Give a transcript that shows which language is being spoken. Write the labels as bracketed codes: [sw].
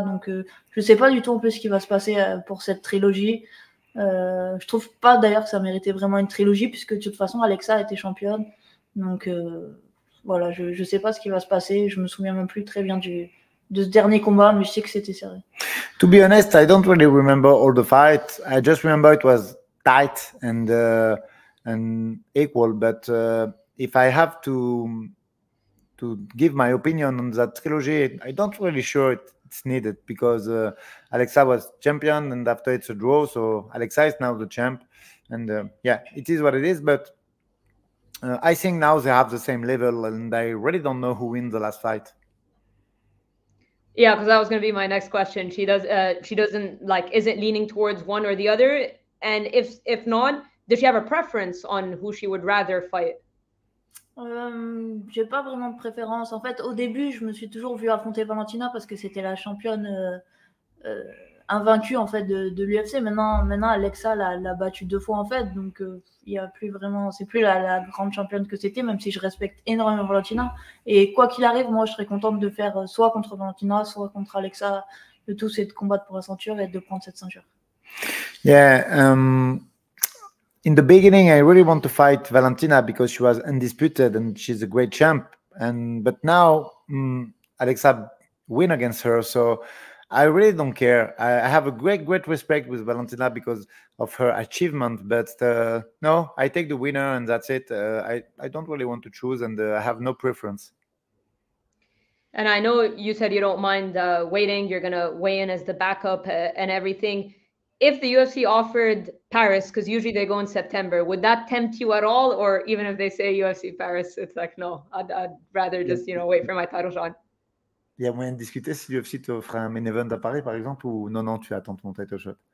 [fr] Donc je ne sais pas du tout en plus ce qui va se passer pour cette trilogie. Je ne trouve pas d'ailleurs que ça méritait vraiment une trilogie, puisque de toute façon, Alexa était championne. Donc voilà, je ne sais pas ce qui va se passer. Je ne me souviens même plus très bien de ce dernier combat, mais je sais que c'était serré. [en] To be honest, I don't really remember all the fights. I just remember it was tight and equal. But if I have to give my opinion on that trilogy, I don't really sure it's needed, because Alexa was champion and after it's a draw. So Alexa is now the champ. And yeah, it is what it is. But I think now they have the same level, and I really don't know who wins the last fight. Yeah, because that was going to be my next question. She does. She doesn't like. Isn't leaning towards one or the other. And if not, does she have a preference on who she would rather fight? [fr] J'ai pas vraiment de préférence. En fait, au début, je me suis toujours vue affronter Valentina parce que c'était la championne invaincue en fait de l'UFC. Maintenant, Alexa l'a battue deux fois en fait. Donc, il y a plus vraiment. C'est plus la grande championne que c'était. Même si je respecte énormément Valentina. Et quoi qu'il arrive, moi, je serais contente de faire soit contre Valentina, soit contre Alexa. Le tout, c'est de combattre pour la ceinture et de prendre cette ceinture. [en] Yeah. In the beginning, I really want to fight Valentina because she was undisputed and she's a great champ. But now, Alexa win against her. So I really don't care. I have a great respect with Valentina because of her achievement. But no, I take the winner and that's it. I don't really want to choose, and I have no preference. And I know you said you don't mind waiting. You're going to weigh in as the backup and everything. If the UFC offered Paris, because usually they go in September, would that tempt you at all? Or even if they say UFC Paris, it's like, no, I'd rather just, you know, wait for my title shot. [fr] Il y a moyen de discuter si l'UFC te fera un main event à Paris, par exemple, ou non, tu attends ton title shot.